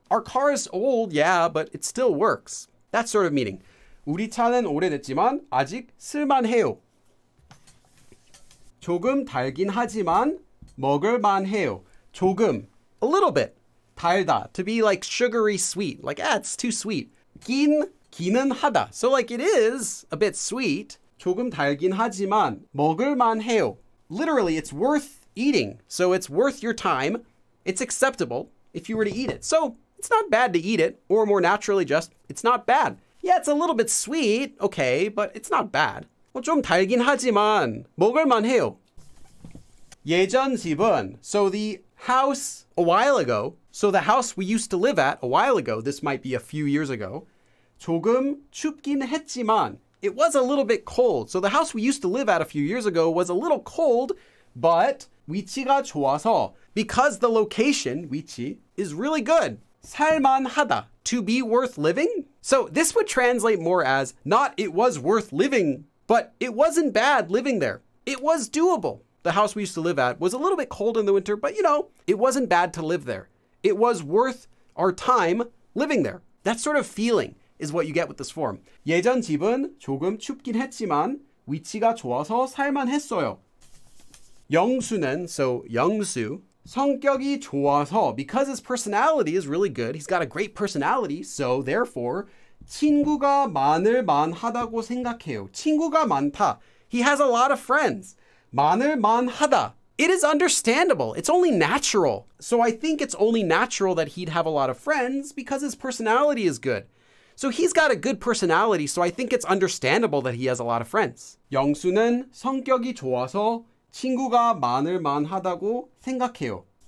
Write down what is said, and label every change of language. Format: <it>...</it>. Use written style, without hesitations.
<en>Our car is old, yeah, but it still works. That sort of meaning.</en> <ko>우리 차는 오래됐지만 아직 쓸만해요. 조금 달긴 하지만 먹을만해요.</ko> <en>조금, a little bit. 달다, to be like sugary sweet. Like, ah, it's too sweet.</en> <ko>긴, 기는 하다.</ko> <en>So like, it is a bit sweet.</en> <ko>조금 달긴 하지만 먹을만해요.</ko> <en>Literally, it's worth eating. So it's worth your time. It's acceptable if you were to eat it. So it's not bad to eat it. Or more naturally just, it's not bad. Yeah, it's a little bit sweet, okay, but it's not bad.</en> <ko>좀 달긴 하지만 먹을만해요. 예전 집은,</ko> <en>so the house a while ago, so the house we used to live at a while ago, this might be a few years ago,</en> <ko>조금 춥긴 했지만,</ko> <en>it was a little bit cold. So the house we used to live at a few years ago was a little cold, but</en> <ko>위치가 좋아서,</ko> <en>because the location, 위치, is really good.</en> <ko>살만하다,</ko> <en>to be worth living? So this would translate more as, not it was worth living, but it wasn't bad living there. It was doable. The house we used to live at was a little bit cold in the winter, but you know, it wasn't bad to live there. It was worth our time living there. That sort of feeling is what you get with this form.</en> <ko>예전 집은 조금 춥긴 했지만 위치가 좋아서 살만했어요.</ko> <en>영수는, so 영수,</en> <ko>성격이 좋아서,</ko> <en>because his personality is really good, he's got a great personality, so therefore,</en> <ko>친구가 많을 만하다고 생각해요. 친구가 많다.</ko> <en>He has a lot of friends.</en> <ko>많을 만하다.</ko> <en>It is understandable. It's only natural. So I think it's only natural that he'd have a lot of friends because his personality is good. So he's got a good personality, so I think it's understandable that he has a lot of friends.</en> <ko>영수는 성격이 좋아서 친구가 많을 만하다고 생각해요.</ko>